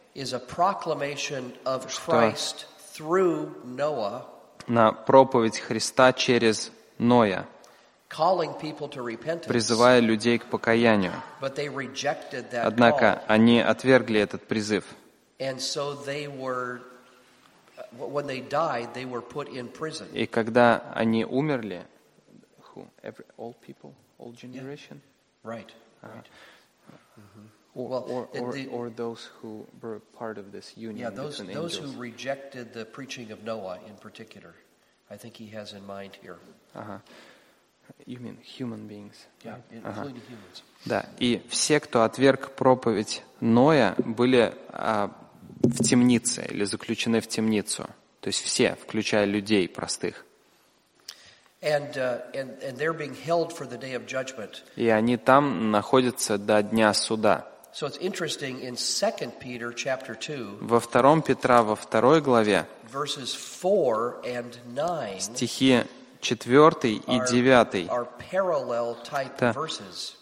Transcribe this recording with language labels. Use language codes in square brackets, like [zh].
[en] Is a proclamation of Christ through Noah. [ru] На проповедь Христа через Ноя. [en] Calling people to repentance. [ru] Призывая людей к покаянию. [en] But they rejected that call. [ru] Однако они отвергли этот призыв. [en] And so they were, when they died, they were put in prison. [ru] И когда они умерли, [en] all people, all generation, yeah. Right. Or those who were part of this union. Yeah, those who rejected the preaching of Noah in particular. I think he has in mind here. You mean human beings? Yeah, including humans. [ru] Да, и все, кто отверг проповедь Ноя, были в темнице или заключены в темницу. То есть все, включая людей простых. [en] And they're being held for the day of judgment. [ru] И они там находятся до дня суда. [en] So it's interesting in 2 Peter chapter 2. [ru] Во втором Петра во второй главе. [en] Verses 4 and 9. [ru] Стихи 4 и 9. [en] Are parallel type verses.